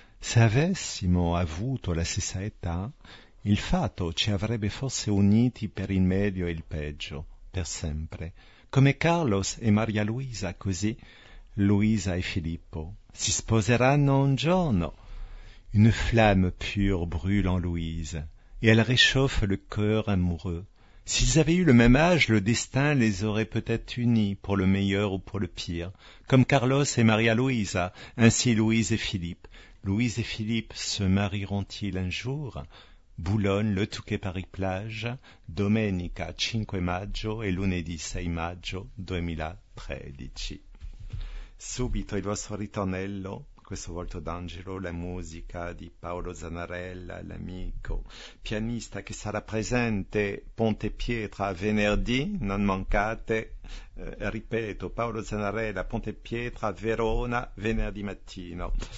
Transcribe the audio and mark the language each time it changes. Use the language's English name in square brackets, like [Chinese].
[Italian] Se avessimo avuto la stessa età, il fato ci avrebbe forse uniti per il meglio e il peggio, per sempre. Come Carlos e Maria Luisa, così Luisa e Filippo si sposeranno un giorno. [French] Une flamme pure brûle en Louise, et elle réchauffe le cœur amoureux. S'ils avaient eu le même âge, le destin les aurait peut-être unis, pour le meilleur ou pour le pire, comme Carlos et Maria Luisa, ainsi Louise et Philippe. Louise et Philippe se marieront-ils un jour? [Italian] Boulogne, Le Touquet, Paris, plage, domenica 5 maggio e lunedì 6 maggio 2013. Subito il vostro ritornello. Questo volto d'angelo, la musica di Paolo Zanarella, l'amico pianista che sarà presente Ponte Pietra venerdì, non mancate, ripeto, Paolo Zanarella, Ponte Pietra, Verona, venerdì mattino.